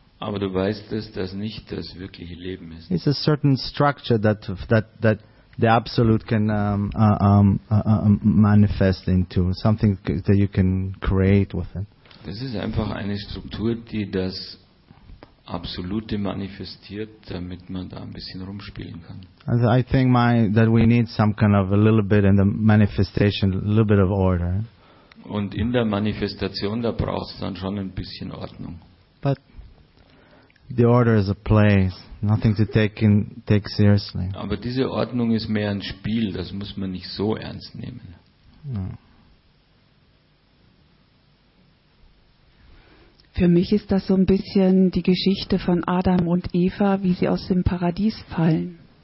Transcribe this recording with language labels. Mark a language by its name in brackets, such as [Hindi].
[German] Aber du weißt, dass das nicht das wirkliche Leben ist. [English] It's a certain structure that the absolute can manifest into something that you can create with it. [German] Das ist einfach eine Struktur, die das Absolute manifestiert, damit man da ein bisschen rumspielen kann. [English] And I think that we need some kind of a little bit in the manifestation, a little bit of order. [German] Und in der Manifestation, da braucht es dann schon ein bisschen Ordnung. [English] But the order is a place, nothing to take seriously. [German] Aber diese Ordnung ist mehr ein Spiel, das muss man nicht so ernst nehmen. [English] No. [German] Für mich ist das so ein bisschen die Geschichte von Adam und Eva, wie sie aus dem Paradies fallen.